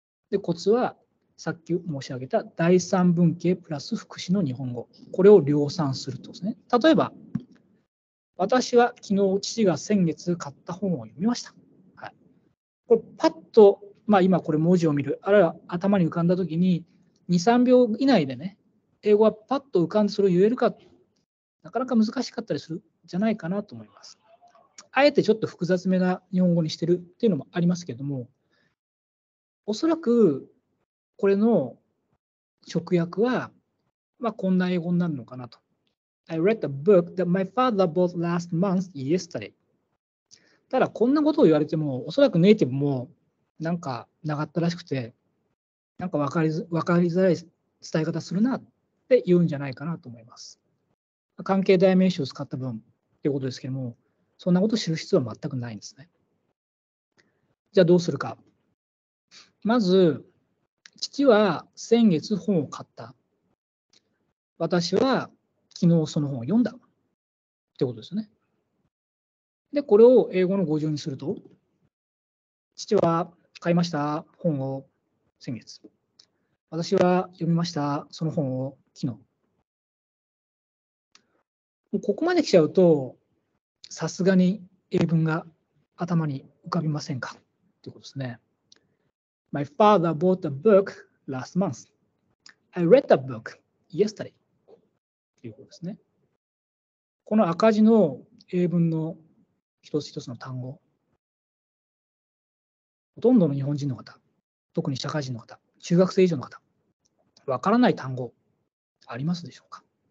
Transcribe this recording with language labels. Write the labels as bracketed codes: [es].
[ja] で、コツは、さっき申し上げた第三文型プラス副詞の日本語、これを量産するとですね、例えば私は昨日父が先月買った本を読みました、はい、これパッと、まあ、今これ文字を見る、あるいは頭に浮かんだ時に 2,3 秒以内でね、英語はパッと浮かんでそれを言えるか、なかなか難しかったりするじゃないかなと思います。あえてちょっと複雑めな日本語にしてるっていうのもありますけども、おそらくこれの直訳は、まあ、こんな英語になるのかなと。 [en] I read the book that my father bought last month yesterday. [ja] ただ、こんなことを言われても、おそらくネイティブもなんか長ったらしくて、なんか分かりづらい伝え方するなって言うんじゃないかなと思います。関係代名詞を使った分ということですけども、そんなことを知る必要は全くないんですね。じゃあ、どうするか。まず、父は先月本を買った。私は昨日その本を読んだ。ってことですね。で、これを英語の語順にすると、父は買いました、本を先月。私は読みました、その本を昨日。もうここまで来ちゃうと、さすがに英文が頭に浮かびませんか？ってことですね。 [en] My father bought the book last month. I read the book yesterday. [ja] ということですね。この赤字の英文の一つ一つの単語、ほとんどの日本人の方、特に社会人の方、中学生以上の方、わからない単語ありますでしょうか。